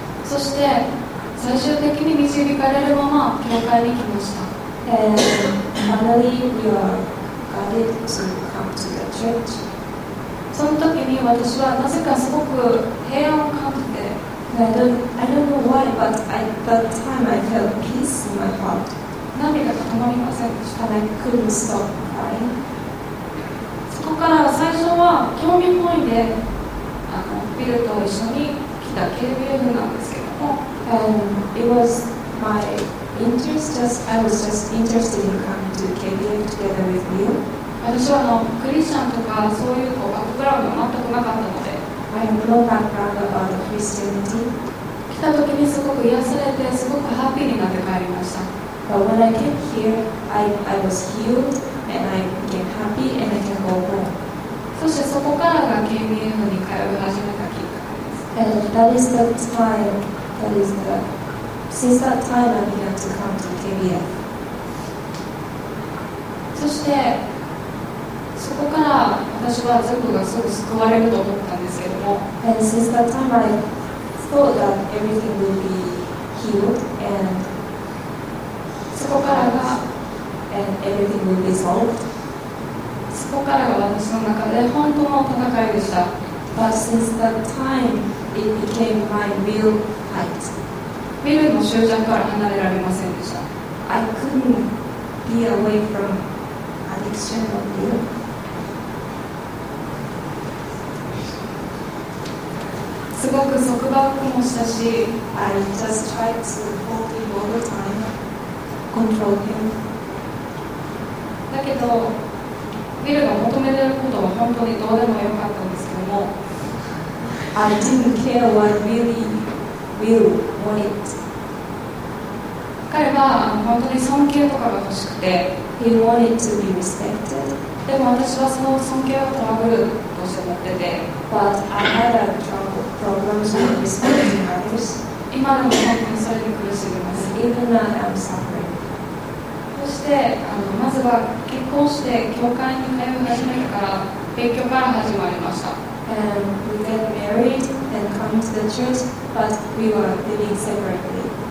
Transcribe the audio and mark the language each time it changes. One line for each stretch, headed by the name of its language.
Japanese: そして最終的に導かれるまま教会に来ました。
English: And finally, we were guided to come to the church.
Japanese: その時に私はなぜかすごく平安を感じて。
English: I don't know why, but at that time I felt peace in my heart.
Japanese: 涙が止まりませんでした。
English: And I couldn't stop crying.
Japanese: そこから最初は興味本位でビルと一緒に来た KBF なんですけども。
English: It was my interest, I was just interested in coming to KBF together with you.
Japanese: 私はクリスチャンとかそういうバックグラウンドが全くなかったので。
English: I have no background about Christianity.
Japanese: 来た時にすごく癒されてすごくハッピーになって帰りました。
English: But when I came here, I was healed and I became happy and I can go home.
Japanese: そしてそこからが KBF に通い始めたきっかけです。
English: And that is the time, that is the since that time I began to come to KBF.
Japanese: そしてそこから私は全部がすごく救われると思ったんですけども
English: And since that time I thought that everything would be healed and
Japanese: そこからが
English: And everything would be solved
Japanese: そこからが私の中で本当の戦いでした
English: But since that time it became my real fight
Japanese: ビルの執着から離れられませんでした
English: I couldn't be away from addiction of Bill
Japanese: すごく束縛もしたし
English: I just tried to hold him all the time control him
Japanese: だけど、ビルが求めていることは本当にどうでもよかったんですけども、
English: I didn't care what really Will wanted.
Japanese: 彼は本当に尊敬とかが欲しくて、
English: He wanted to be respected.
Japanese: でも私はその尊敬をトラブルとして持ってて、
English: But I had a trouble problems with respecting others.
Japanese: 今でも本当にそれで苦しんでます。
English: Even now I'm suffering.
Japanese: そしてまずは結婚して教会に通い始めてから勉強から始まりました。
English: And we get married and come to the church, but we were living separately.